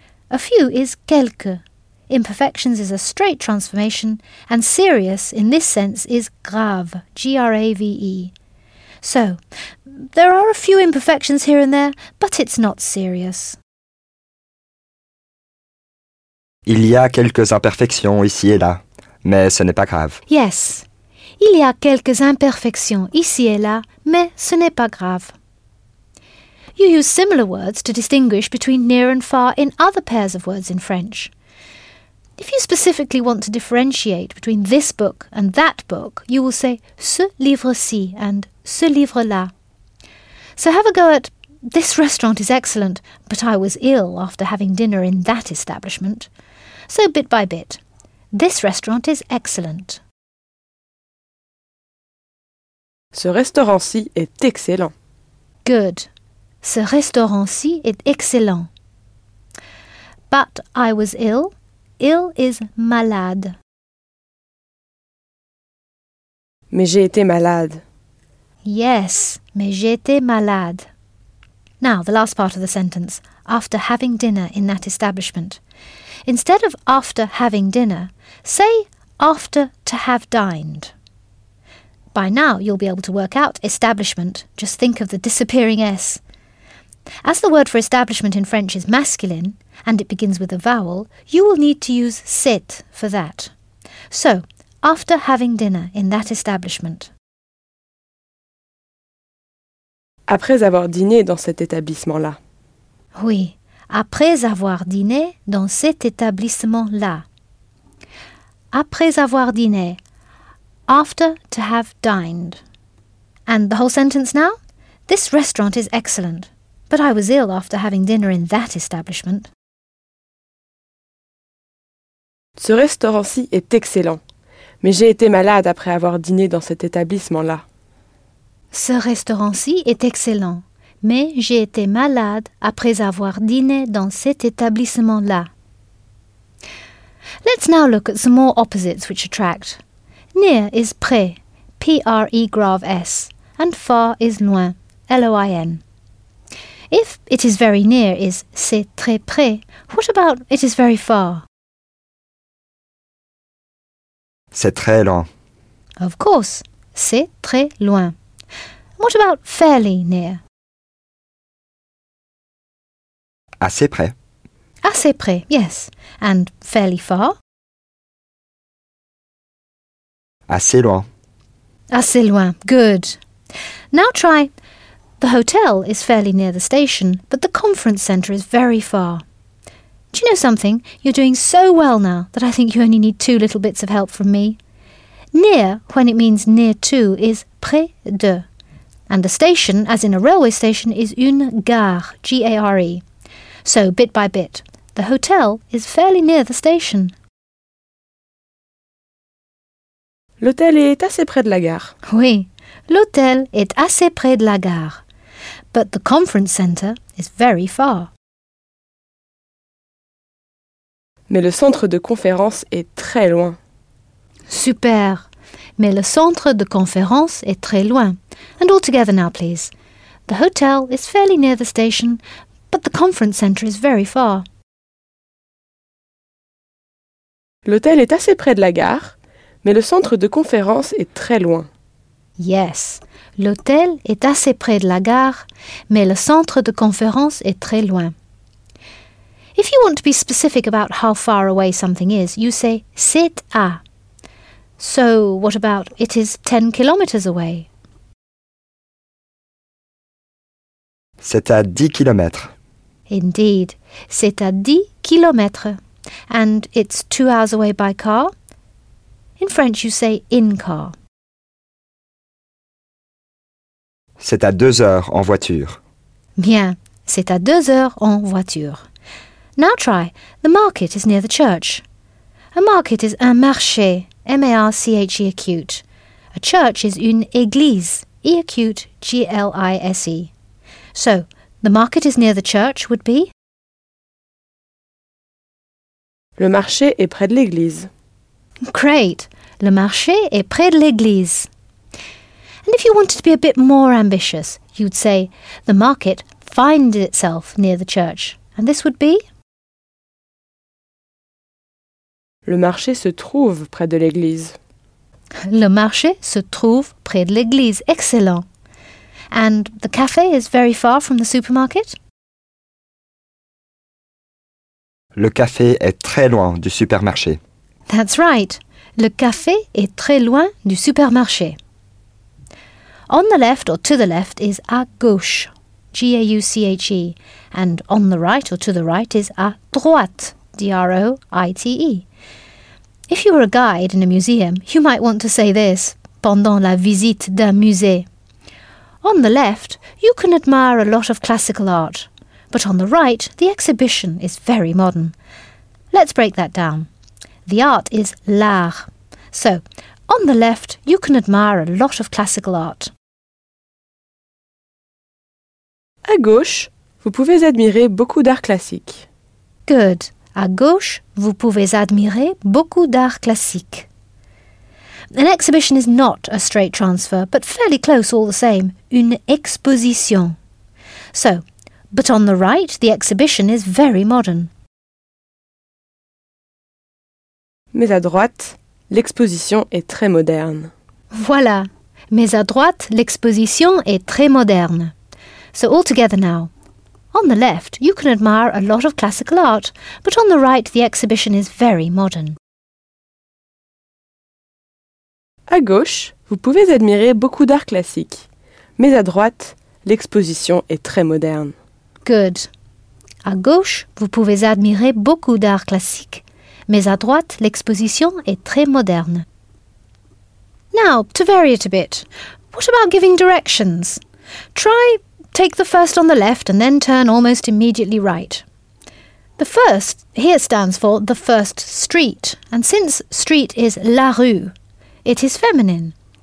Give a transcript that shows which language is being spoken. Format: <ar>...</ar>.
<en>A few is quelques. Imperfections is a straight transformation, and serious in this sense is grave, G-R-A-V-E. So, there are a few imperfections here and there, but it's not serious.</en> <fr>Il y a quelques imperfections ici et là, mais ce n'est pas grave.</fr> <en>Yes.</en> <fr>Il y a quelques imperfections ici et là, mais ce n'est pas grave.</fr> <en>You use similar words to distinguish between near and far in other pairs of words in French. If you specifically want to differentiate between this book and that book, you will say</en> <fr>ce livre-ci</fr> <en>and</en> <fr>ce livre-là.</fr> <en>So have a go at this restaurant is excellent, but I was ill after having dinner in that establishment. So bit by bit, this restaurant is excellent.</en> <fr>Ce restaurant-ci est excellent.</fr> <en>Good.</en> <fr>Ce restaurant-ci est excellent.</fr> <en>But I was ill. Ill is malade.</en> <fr>Mais j'ai été malade.</fr> <en>Yes,</en> <fr>mais j'ai été malade.</fr> <en>Now, the last part of the sentence, after having dinner in that establishment. Instead of after having dinner, say after to have dined. By now, you'll be able to work out establishment. Just think of the disappearing S. As the word for establishment in French is masculine, and it begins with a vowel, you will need to use sit for that. So, after having dinner in that establishment.</en> <fr>Après avoir dîné dans cet établissement-là. Oui, après avoir dîné dans cet établissement-là. Après avoir dîné,</fr> <en>after to have dined. And the whole sentence now? This restaurant is excellent. But I was ill after having dinner in that establishment.</en> <fr>Ce restaurant-ci est excellent, mais j'ai été malade après avoir dîné dans cet établissement-là. Ce restaurant-ci est excellent, mais j'ai été malade après avoir dîné dans cet établissement-là.</fr> <en>Let's now look at some more opposites which attract. Near is près, P-R-E grave S, and far is loin, L-O-I-N. If it is very near is</en> <fr>c'est très près,</fr> <en>what about it is very far?</en> <fr>C'est très loin.</fr> <en>Of course,</en> <fr>c'est très loin.</fr> <en>What about fairly near?</en> <fr>Assez près. Assez près,</fr> <en>yes. And fairly far?</en> <fr>Assez loin. Assez loin,</fr> <en>good. Now try... The hotel is fairly near the station, but the conference centre is very far. Do you know something? You're doing so well now that I think you only need two little bits of help from me. Near, when it means near to, is</en> <fr>près de.</fr> <en>And a station, as in a railway station, is une gare, G-A-R-E. So, bit by bit, the hotel is fairly near the station.</en> <fr>L'hôtel est assez près de la gare. Oui, l'hôtel est assez près de la gare.</fr> <en>But the conference centre is very far.</en> <fr>Mais le centre de conférence est très loin.</fr> <en>Super.</en> <fr>Mais le centre de conférence est très loin.</fr> <en>And all together now, please. The hotel is fairly near the station, but the conference centre is very far.</en> <fr>L'hôtel est assez près de la gare, mais le centre de conférence est très loin.</fr> <en>Yes.</en> <fr>L'hôtel est assez près de la gare, mais le centre de conférence est très loin.</fr> <en>If you want to be specific about how far away something is, you say</en> <fr>c'est à.</fr> <en>So, what about it is 10 kilometers away?</en> <fr>C'est à 10 kilomètres.</fr> <en>Indeed,</en> <fr>c'est à 10 kilomètres.</fr> <en>And it's 2 hours away by car? In French, you say in car.</en> <fr>C'est à 2 heures en voiture. Bien, c'est à 2 heures en voiture.</fr> <en>Now try. The market is near the church. A market is un marché, M-A-R-C-H-E acute. A church is une église, E-acute G-L-I-S-E. So, the market is near the church would be?</en> <fr>Le marché est près de l'église.</fr> <en>Great!</en> <fr>Le marché est près de l'église.</fr> <en>And if you wanted to be a bit more ambitious, you'd say, the market finds itself near the church. And this would be?</en> <fr>Le marché se trouve près de l'église. Le marché se trouve près de l'église.</fr> <en>Excellent. And the café is very far from the supermarket?</en> <fr>Le café est très loin du supermarché.</fr> <en>That's right.</en> <fr>Le café est très loin du supermarché.</fr> <en>On the left or to the left is</en> <fr>à gauche,</fr> <en>G-A-U-C-H-E. And on the right or to the right is</en> <fr>à droite,</fr> <en>D-R-O-I-T-E. If you were a guide in a museum, you might want to say this</en> <fr>pendant la visite d'un musée.</fr> <en>On the left, you can admire a lot of classical art, but on the right, the exhibition is very modern. Let's break that down. The art is l'art. So, on the left, you can admire a lot of classical art.</en> <fr>À gauche, vous pouvez admirer beaucoup d'art classique.</fr> <en>Good.</en> <fr>À gauche, vous pouvez admirer beaucoup d'art classique.</fr> <en>An exhibition is not a straight transfer, but fairly close all the same.</en> <fr>Une exposition.</fr> <en>So, but on the right, the exhibition is very modern.</en> <fr>Mais à droite, l'exposition est très moderne. Voilà. Mais à droite, l'exposition est très moderne.</fr> <en>So, all together now. On the left, you can admire a lot of classical art, but on the right, the exhibition is very modern.</en> <fr>À gauche, vous pouvez admirer beaucoup d'art classique, mais à droite, l'exposition est très moderne.</fr> <en>Good.</en> <fr>À gauche, vous pouvez admirer beaucoup d'art classique, mais à droite, l'exposition est très moderne.</fr> <en>Now, to vary it a bit, what about giving directions? Try take the first on the left and then turn almost immediately right. The first here stands for the first street, and since street is la rue, it is feminine.</en>